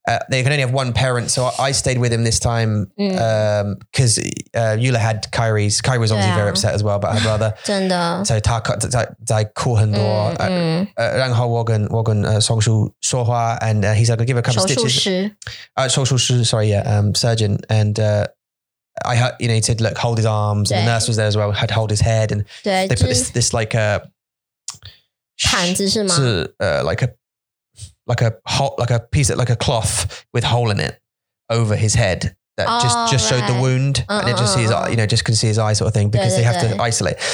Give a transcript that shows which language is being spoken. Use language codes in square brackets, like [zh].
[en] They can only have one parent, so I stayed with him this time because Eula had Kairi's. Kairi was obviously very upset as well about her brother. [zh] 真的。所以他哭很多，然后我跟双叔说话, [en] and he's like, give her a couple of stitches. 手术师，surgeon. And I heard, you know, he said, look, hold his arms. And the nurse was there as well, had to hold his head. And they put this like a... [zh] 盘子是吗? [en] Like a piece of like a cloth with a hole in it over his head that just showed the wound and it just sees, you know, just can see his eye sort of thing because they have to isolate.